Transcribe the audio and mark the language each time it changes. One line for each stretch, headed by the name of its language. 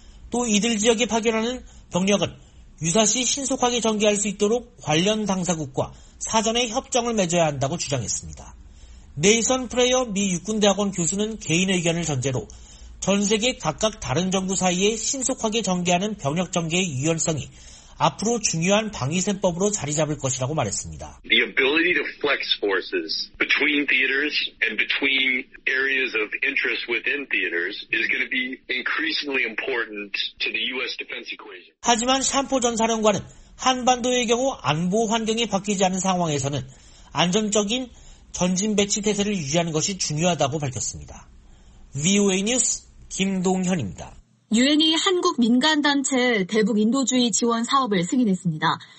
Korean: 또 이들 지역에 파견하는 병력은 유사시 신속하게 전개할 수 있도록 관련 당사국과 사전에 협정을 맺어야 한다고 주장했습니다. 네이선 프레이어 미 육군대학원 교수는 개인 의견을 전제로 전 세계 각각 다른 정부 사이에 신속하게 전개하는 병력 전개의 유연성이 앞으로 중요한 방위셈법으로 자리 잡을 것이라고 말했습니다.
English: The ability to flex forces between theaters and between areas of interest within theaters is going to be increasingly important to the U.S. defense equation.
Korean: 하지만 샴포 전 사령관은 한반도의 경우 안보 환경이 바뀌지 않은 상황에서는 안정적인 전진 배치 태세를 유지하는 것이 중요하다고 밝혔습니다. VOA 뉴스 김동현입니다. 유엔이 한국 민간단체 대북 인도주의 지원 사업을 승인했습니다.